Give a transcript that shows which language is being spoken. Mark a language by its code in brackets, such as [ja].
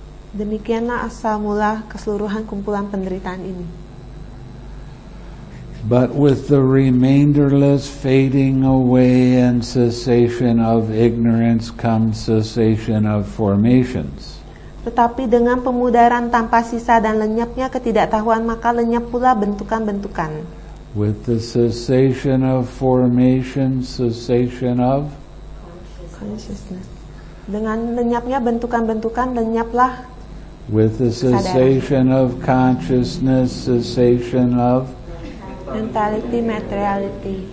[id] Demikianlah asal mula keseluruhan kumpulan penderitaan ini. [en] But with the remainderless fading away and cessation of ignorance comes cessation of formations. [id] Tetapi dengan pemudaran tanpa sisa dan lenyapnya ketidaktahuan, maka lenyap pula bentukan-bentukan. [en] With the cessation of formation, cessation of [id] consciousness. Dengan lenyapnya bentukan-bentukan, lenyaplah. [en] With the cessation of consciousness, cessation of mentality, materiality.